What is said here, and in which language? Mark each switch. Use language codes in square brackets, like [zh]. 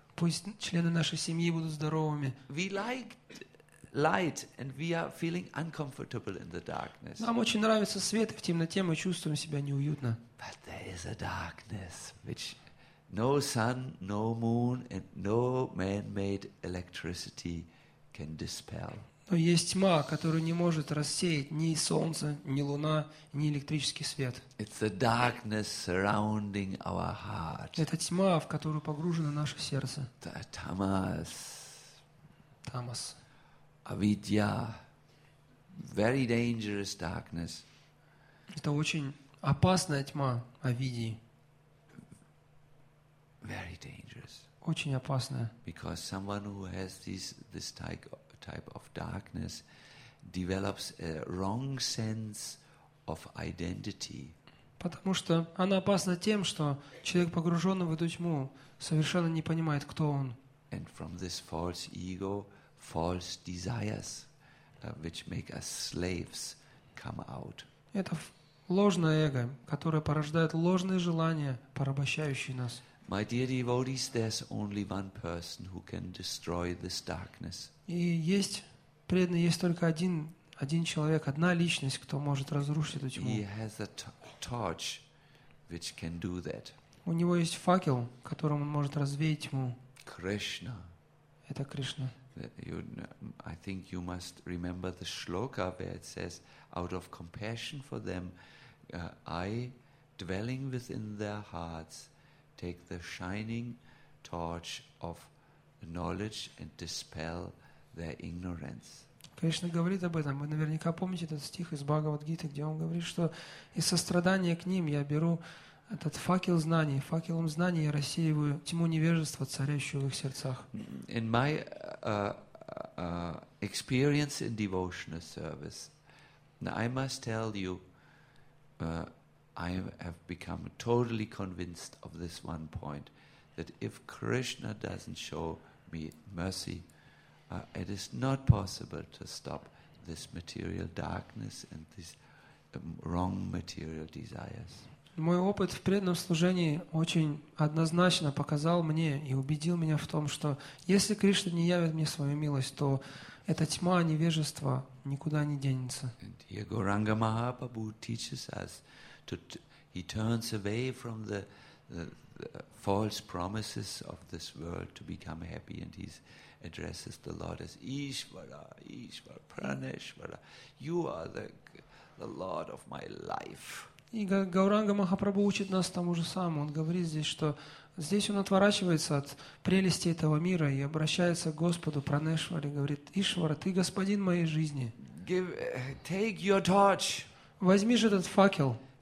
[ru] Пусть члены нашей семьи будут здоровыми. [en] We like light, and we are feeling uncomfortable in the darkness. [ru] Нам очень нравится свет, и в темноте мы чувствуем себя неуютно. [en] But there is a darkness, which no sun, no moon, and no man-made electricity can dispel. [ru] Но есть тьма, которую не может рассеять ни солнце, ни луна, ни электрический свет. [en] It's the darkness surrounding our heart. [ru] Это тьма, в которую погружено наше сердце. [en] Tamas. Avidya, very dangerous darkness. [ru] Это очень опасная тьма, авидии. [en] Very dangerous. [ru] Очень опасная. [en] Because someone who has this type of darkness develops a wrong sense of identity. [ru] Потому что она опасна тем, что человек, погруженный в эту тьму, совершенно не понимает, кто он. [en] And from this false ego, false desires, which make us slaves, come out. [ru] Это ложное эго, которое порождает ложные желания, порабощающие нас. [en] My dear devotees, there's only one person who can destroy this darkness. [ru] И есть преданный, есть только один человек, одна личность, кто может разрушить эту тьму. [en] He has a torch, which can do that. [ru] У него есть факел, которым он может развеять тьму. [en] Krishna. [ru] Это Кришна. [en] I think you must remember the shloka where it says, out of compassion for them, I, dwelling within their hearts, take the shining torch of knowledge and dispel their ignorance. [ru] Кришна говорит об этом. Вы наверняка помните этот стих из Бхагавад-гиты, где он говорит, что из сострадания к ним я беру этот факел знаний, факелом знаний я рассеиваю тьму невежества, царящую в их сердцах. [en] In my experience in devotional service, I must tell you, I have become totally convinced of this one point, that if Krishna doesn't show me mercy, it is not possible to stop this material darkness and these wrong material desires. [ru] Мой опыт в преданном служении очень однозначно показал мне и убедил меня в том, что если Кришна не явит мне свою милость, то эта тьма невежества никуда не денется. [en] And here Gauranga Mahaprabhu teaches us he turns away from the false promises of this world to become happy, and he addresses the Lord as Ishvara, Ishvara, Praneshvara. You are the Lord of my life. [ru] И Гауранга Махапрабху учит нас тому же самому. Он говорит здесь, что здесь он отворачивается от прелести этого мира и обращается к Господу Пранешвари, говорит: «Ишвара, ты господин моей жизни. [en] Take your torch. [ru] Возьми же этот факел».